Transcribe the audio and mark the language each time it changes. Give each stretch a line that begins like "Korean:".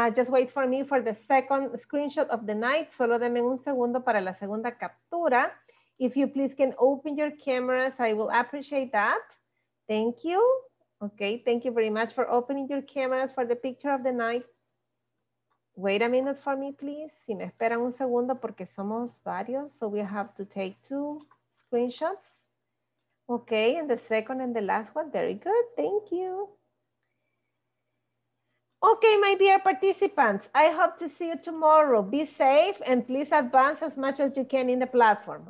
English: Just wait for me for the second screenshot of the night.
Spanish: Solo denme un segundo para la segunda captura.
English: If you please can open your cameras, I will appreciate that. Thank you. Ok, thank you very much for opening your cameras for the picture of the night. Wait a minute for me, please.
Spanish: Si me esperan un segundo porque somos varios.
English: So we have to take two screenshots. Okay, and the second and the last one. Very good. Thank you. Okay, my dear participants, I hope to see you tomorrow. Be safe and please advance as much as you can in the platform.